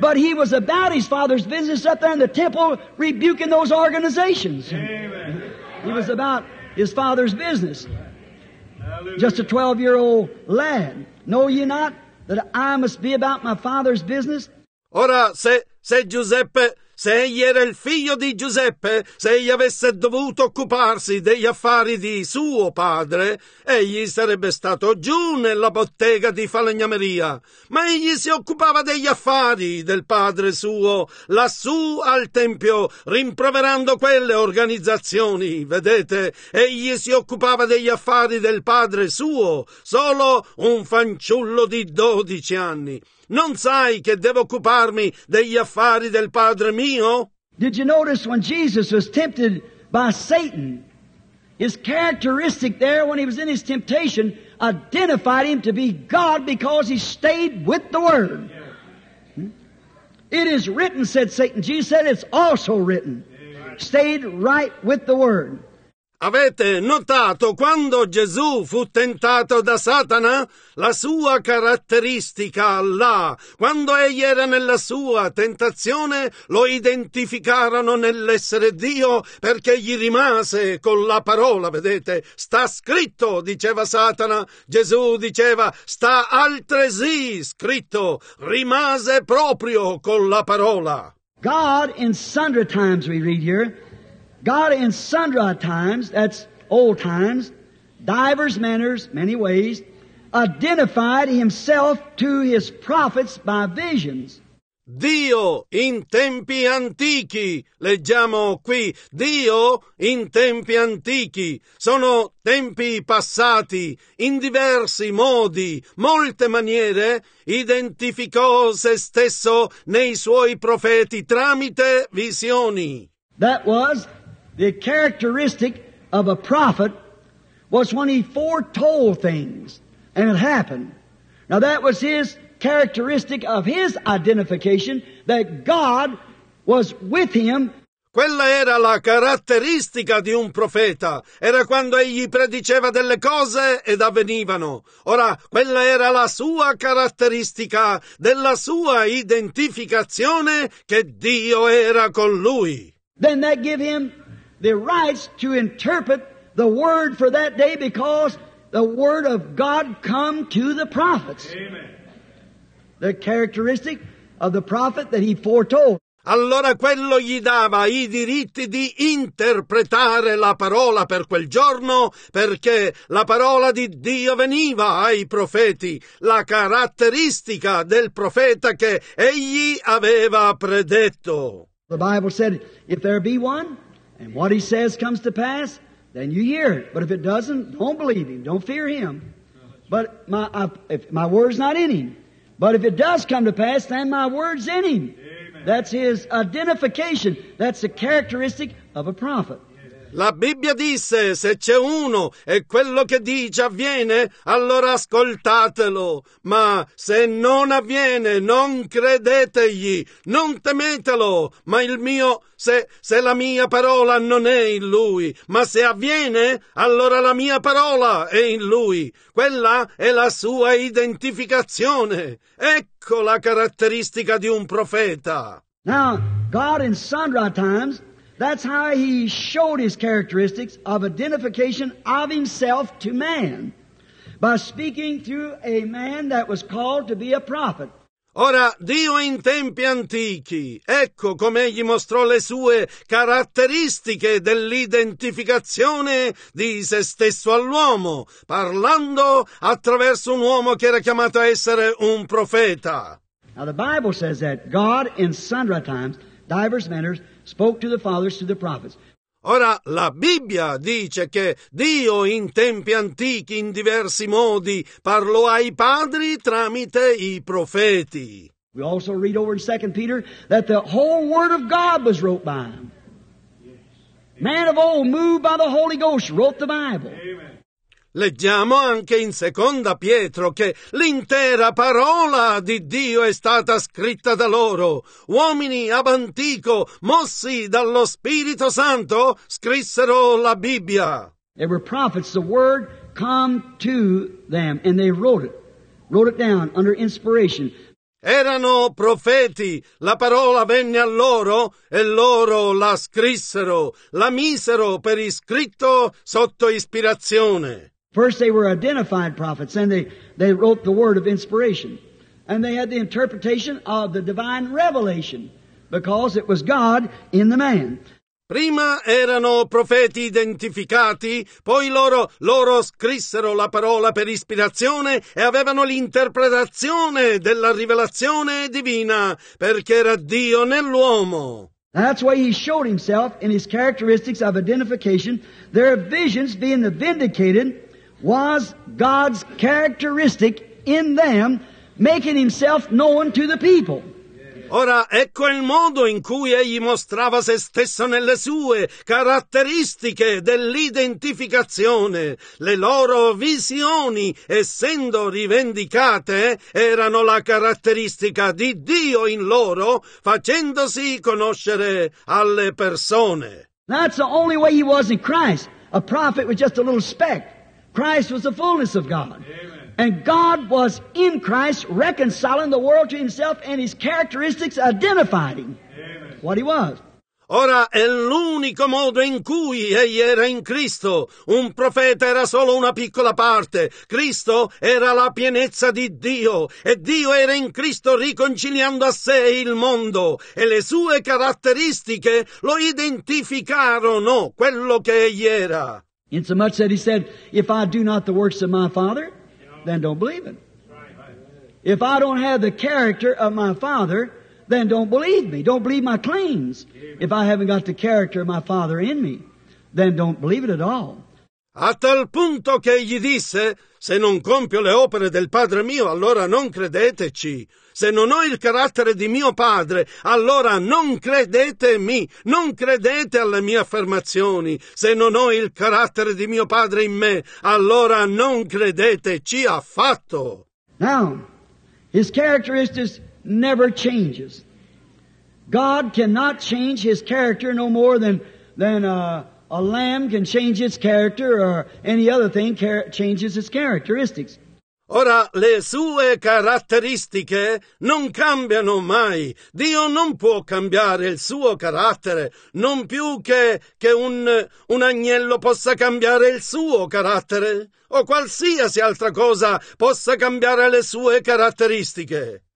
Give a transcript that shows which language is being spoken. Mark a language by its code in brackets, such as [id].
[en] But he was about his father's business up there in the temple rebuking those organizations. Amen. He was about his father's business. Hallelujah. Just a 12-year-old lad. Know ye not that I must be about my father's business? [it] Ora, se Giuseppe... Se egli era il figlio di Giuseppe, se egli avesse dovuto occuparsi degli affari di suo padre, egli sarebbe stato giù nella bottega di falegnameria. Ma egli si occupava degli affari del padre suo, lassù al tempio, rimproverando quelle organizzazioni. Vedete, egli si occupava degli affari del padre suo, solo un fanciullo di 12 anni. Non sai che devo occuparmi degli affari del Padre mio? [en] Did you notice when Jesus was tempted by Satan, his characteristic there when he was in his temptation identified him to be God because he stayed with the Word? It is written, said Satan. Jesus said, it's also written. Stayed right with the Word. [it] Avete notato quando Gesù fu tentato da Satana? La sua caratteristica là, quando egli era nella sua tentazione, lo identificarono nell'essere Dio perché gli rimase con la parola, vedete? Sta scritto, diceva Satana. Gesù diceva, sta altresì scritto, rimase proprio con la parola. [en] God, in sundry times we read here, God in sundry times, that's old times, divers manners, many ways, identified himself to his prophets by visions. [it] Dio in tempi antichi, leggiamo qui, Dio in tempi antichi, sono tempi passati, in diversi modi, molte maniere, identificò se stesso nei suoi profeti tramite visioni. [en] That was... The characteristic of a prophet was when he foretold things and it happened. Now that was his characteristic of his identification, that God was with him. [it] Quella era la caratteristica di un profeta, era quando egli prediceva delle cose ed avvenivano. Ora, quella era la sua caratteristica, della sua identificazione, che Dio era con lui. [en] Then that gave him the rights to interpret the word for that day, because the word of God come to the prophets. Amen. The characteristic of the prophet that he foretold. [it] Allora quello gli dava i diritti di interpretare la parola per quel giorno, perché la parola di Dio veniva ai profeti, la caratteristica del profeta che egli aveva predetto. [en] The Bible said, if there be one, and what he says comes to pass, then you hear it. But if it doesn't, don't believe him, don't fear him. But if my word's not in him. But if it does come to pass, then my word's in him. That's his identification. That's the characteristic of a prophet. [it] La Bibbia disse, se c'è uno e quello che dice avviene, allora ascoltatelo. Ma se non avviene, non credetegli, non temetelo. Ma il mio, se la mia parola non è in lui, ma se avviene, allora la mia parola è in lui. Quella è la sua identificazione. Ecco la caratteristica di un profeta. [en] Now, God in sundry times, that's how he showed his characteristics of identification of himself to man, by speaking through a man that was called to be a prophet. [it] Ora, Dio in tempi antichi, ecco come egli mostrò le sue caratteristiche dell'identificazione di se stesso all'uomo, parlando attraverso un uomo che era chiamato a essere un profeta. [en] Now the Bible says that God in sundry times, diverse manners, spoke to the fathers through the prophets. [it] Ora, la Bibbia dice che Dio in tempi antichi in diversi modi parlò ai padri tramite i profeti. [en] We also read over in 2 Peter that the whole word of God was wrote by him. Man of old, moved by the Holy Ghost, wrote the Bible. Amen. [it] Leggiamo anche in Seconda Pietro che l'intera parola di Dio è stata scritta da loro. Uomini [la] ab antico, [it] mossi dallo Spirito Santo, scrissero la Bibbia. [en] They were prophets, the word come to them, and they wrote it down under inspiration. [it] Erano profeti, la parola venne a loro e loro la scrissero, la misero per iscritto sotto ispirazione. [en] First they were identified prophets, then they wrote the word of inspiration. And they had the interpretation of the divine revelation, because it was God in the man. [it] Prima erano profeti identificati, poi loro scrissero la parola per ispirazione e avevano l'interpretazione della rivelazione divina, perché era Dio nell'uomo. [en] That's why he showed himself in his characteristics of identification, their visions being the vindicated was God's characteristic in them, making himself known to the people. [it] Ora, ecco il modo in cui egli mostrava se stesso nelle sue caratteristiche dell'identificazione. Le loro visioni, essendo rivendicate, erano la caratteristica di Dio in loro, facendosi conoscere alle persone. [en] That's the only way he was in Christ. A prophet was just a little speck. Christ was the fullness of God. Amen. And God was in Christ reconciling the world to himself, and his characteristics identified him. Amen. What he was. [it] Ora è l'unico modo in cui egli era in Cristo. Un profeta era solo una piccola parte. Cristo era la pienezza di Dio. E Dio era in Cristo riconciliando a sé il mondo. E le sue caratteristiche lo identificarono, quello che egli era. [en] Insomuch that he said, if I do not the works of my Father, then don't believe it. If I don't have the character of my Father, then don't believe me. Don't believe my claims. If I haven't got the character of my Father in me, then don't believe it at all. [it] A tal punto che gli disse, se non compio le opere del Padre mio, allora non credeteci. Se non ho il carattere di mio Padre, allora non credetemi, non credete alle mie affermazioni. Se non ho il carattere di mio Padre in me, allora non credeteci affatto. [en] Now, his characteristics never changes. God cannot change his character no more than a lamb can change its character or any other thing changes its characteristics. [it] Ora, le sue caratteristiche non cambiano mai. Dio non può cambiare il suo carattere, non più che un agnello possa cambiare il suo carattere, o qualsiasi altra cosa possa cambiare le sue caratteristiche.